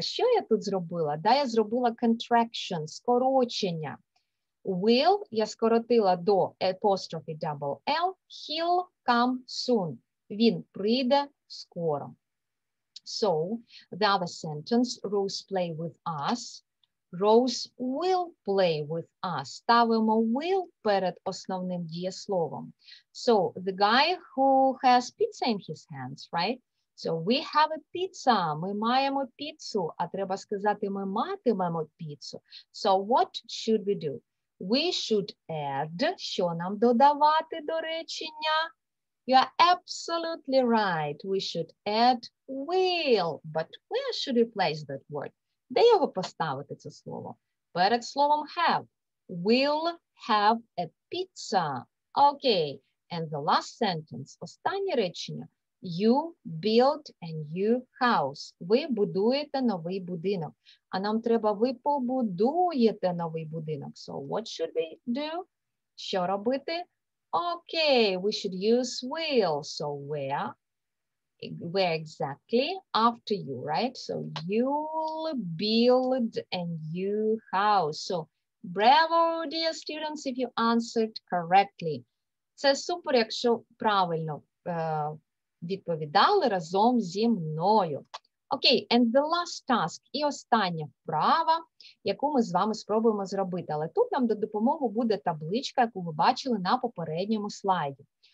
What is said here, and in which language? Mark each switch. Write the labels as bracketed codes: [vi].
[uk] Що я тут зробила? Да, я зробила contraction, скорочення. Will я скоротила до [en] apostrophe double L. He'll come soon. [uk] Він прийде скоро. [en] So, the other sentence, Rose play with us. Rose will play with us. [uk] Ставимо will перед основним дієсловом. [en] So, the guy who has pizza in his hands, right? So, we have a pizza. [uk] Ми маємо піцу. А треба сказати, ми матимемо піцу. [en] So, what should we do? We should add. [uk] Що нам додавати до речення? [en] You are absolutely right. We should add will. But where should we place that word? [uk] Де його поставити це слово? Перед словом [en] have. Will have a pizza. Okay. And the last sentence. [uk] Останнє речення. [en] You built a new house. [uk] Ви будуєте новий будинок. А нам треба ви побудуєте новий будинок. [en] So what should we do? [uk] Що робити? [en] Okay, we should use will. So where exactly? After you, right? So you'll build a new house. So bravo, dear students, if you answered correctly. [uk] Це супер, якщо правильно відповідали разом зі мною. Окей, [en] okay, and the last task, [uk] і остання вправа, яку ми з вами спробуємо зробити. Але тут нам до допомоги буде табличка, яку ви бачили на попередньому слайді.